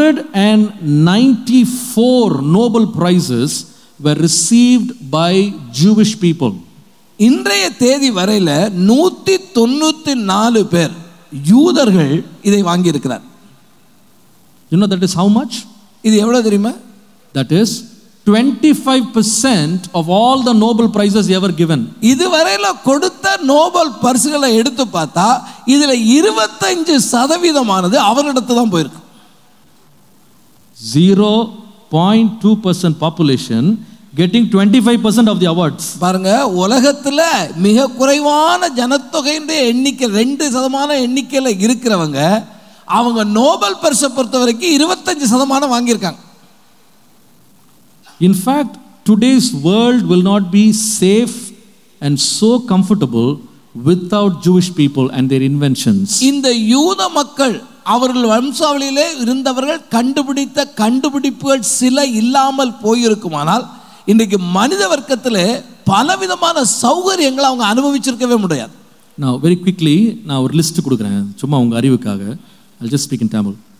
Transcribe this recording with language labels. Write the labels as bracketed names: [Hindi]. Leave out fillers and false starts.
[English] 194 Nobel prizes were received by Jewish people. [Tamil] இன்றைய தேதி வரையில 194 பேர் யூதர்கள் இதை வாங்கி இருக்கிறார். [English] You know that is how much? [Tamil] இது எவ்வளவு தெரியுமா? [English] That is 25% of all the Nobel prizes ever given. [Tamil] இதுவரையில கொடுத்த நோபல் பரிசுகளை எடுத்து பார்த்தா இதுல 25% அவர்களிடத்து தான் போயிருக்கு. [English] 0.2% population getting 25% of the awards. [Tamil] பாருங்க, உலகத்துல மிக குறைவான ஜனத்தொகையினுடைய எண்ணிக்கை 2% எண்ணிக்கையில இருக்கிறவங்க அவங்க நோபல் பரிசை பொறுத்த வரைக்கும் 25% வாங்கியிருக்காங்க. [English] In fact, today's world will not be safe and so comfortable without Jewish people and their inventions. [Tamil] இந்த யூத மக்கள் அவர்கள் வம்சாவளியிலே இருந்தவர்கள் கண்டுபிடித்த கண்டுபிடிப்புகள் சில இல்லாமல் போயிருக்குமானால் இன்றைக்கு மனித வர்க்கத்திலே பலவிதமான சௌகரியங்களை அவங்க அனுபவிச்சிருக்கவே முடியாது. [English] Now, very quickly, [Tamil] நான் ஒரு லிஸ்ட் கொடுக்குறேன் சும்மா உங்க அறிவுக்காக. [English] I'll just speak in Tamil.